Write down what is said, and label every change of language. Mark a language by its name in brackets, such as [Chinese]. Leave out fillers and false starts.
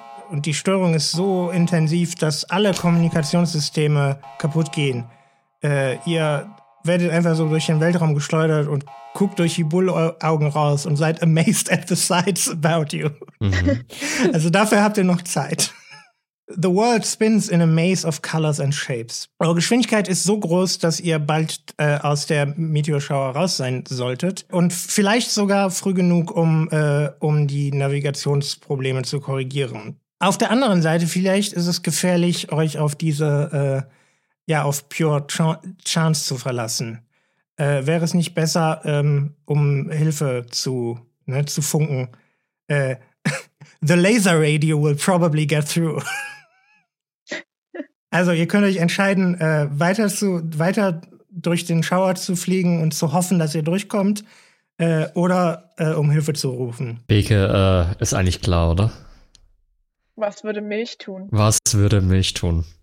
[German] Und die Störung ist so intensiv, dass alle Kommunikationssysteme kaputt gehen. Ihr werdet einfach so durch den Weltraum geschleudert und guckt durch die Bullaugen raus und seid [English] amazed at the sights about you. [German] Mhm. Also dafür habt ihr noch Zeit. [English] The world spins in a maze of colors and shapes. [German] Eure Geschwindigkeit ist so groß, dass ihr bald aus der Meteorschauer raus sein solltet. Und vielleicht sogar früh genug, um die Navigationsprobleme zu korrigieren. Auf der anderen Seite, vielleicht ist es gefährlich, euch auf diese, auf pure Chance zu verlassen. Wäre es nicht besser, um Hilfe zu funken? [English] The laser radio will probably get through. [German] Also ihr könnt euch entscheiden, weiter durch den Schauer zu fliegen und zu hoffen, dass ihr durchkommt, oder um Hilfe zu rufen. Beke, ist eigentlich klar, oder? Was würde Milch tun?